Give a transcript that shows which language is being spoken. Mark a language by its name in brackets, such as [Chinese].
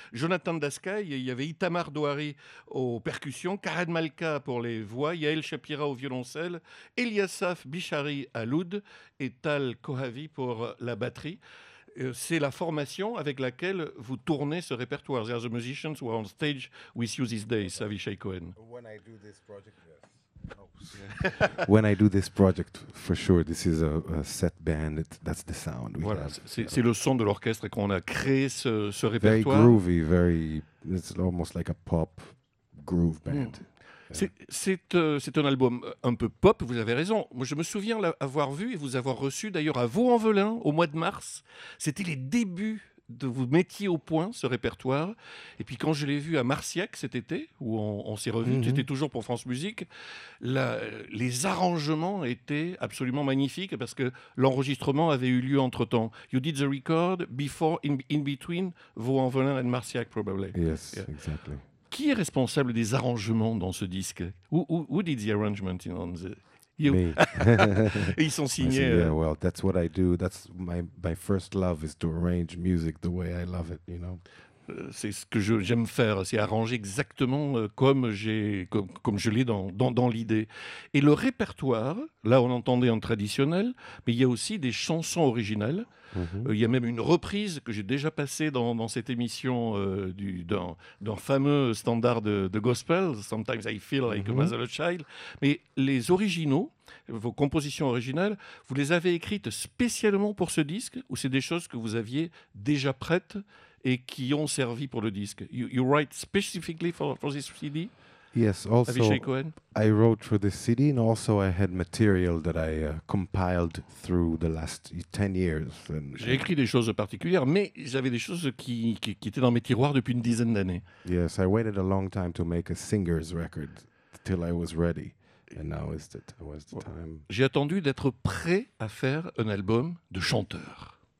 [French] Jonathan Daskay, il y avait Itamar Douari aux percussions, Karen Malka pour les voix, Yael Shapira au violoncelle, Eliasaf Bichari à l'oud et Tal Kohavi pour la batterie. C'est la formation avec laquelle vous tournez ce répertoire. [English] There are the musicians who are on stage with you these days, Avishai Cohen. When I do this project, yes. When I do this project, for sure, this is a set band. That's the sound we [French] voilà, [English] have. [French] C'est le son de l'orchestre et qu'on a créé ce répertoire. [English] Very groovy, very. It's almost like a pop groove band. Mm. [French] C'est un album un peu pop, vous avez raison. Moi, je me souviens l'avoir vu et vous avoir reçu d'ailleurs à Vaux-en-Velin au mois de mars. C'était les débuts de vous mettiez au point ce répertoire. Et puis quand je l'ai vu à Marciac cet été, où on s'est revu, mm-hmm. C'était toujours pour France Musique, les arrangements étaient absolument magnifiques parce que l'enregistrement avait eu lieu entre-temps. [English] You did the record before, in between Vaux-en-Velin and Marciac, probably. Yes, yeah. Exactly. [French] Qui est responsable des arrangements dans ce disque? [English] Who did the arrangement in on the you? Me. [French] Ils sont signés. [English] Yeah, well, that's what I do. That's my first love is to arrange music the way I love it, you know. [French] C'est ce que j'aime faire, c'est arranger exactement comme je l'ai dans l'idée. Et le répertoire, là on entendait en traditionnel, mais il y a aussi des chansons originales. Mm-hmm. Il y a même une reprise que j'ai déjà passée dans cette émission d'un fameux standard de gospel, « [English] Sometimes I feel like mm-hmm. a mother or child ». [French] Mais les originaux, vos compositions originales, vous les avez écrites spécialement pour ce disque ou c'est des choses que vous aviez déjà prêtes et qui ont servi pour le disque. [English] You write specifically for this CD? Yes, also Avishai Cohen. I wrote for this CD and also I had material that I compiled through the last 10 years. And [French] j'ai écrit des choses particulières, mais j'avais des choses qui étaient dans mes tiroirs depuis une dizaine d'années. [English] Yes, I waited a long time to make a singer's record till I was ready. And now is it was the time. [French] J'ai attendu d'être prêt à faire un album de chanteur.